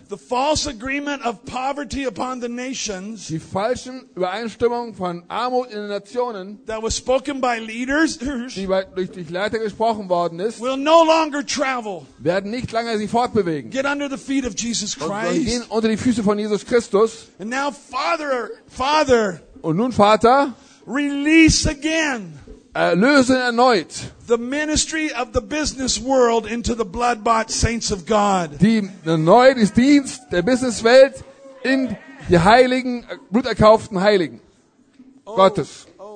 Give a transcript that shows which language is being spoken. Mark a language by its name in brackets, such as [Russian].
[English] The false agreement of poverty upon the nations. [German] Die falschen Übereinstimmungen von Armut in den Nationen. [English] That was spoken by leaders. [German] Durch Leiter gesprochen worden ist. [English] Will no longer travel. [German] Werden nicht lange sich fortbewegen. [English] Get under the feet of Jesus Christ. [German] Und gehen unter die Füße von Jesus Christus. [English] And now, Father. [German] Und nun, Vater. [English] Release again. [German] Erlöse erneut. [English] The ministry of the business world into the blood-bought saints of God. [German] Die erneut ist Dienst der Businesswelt in die heiligen, bluterkauften Heiligen Gottes.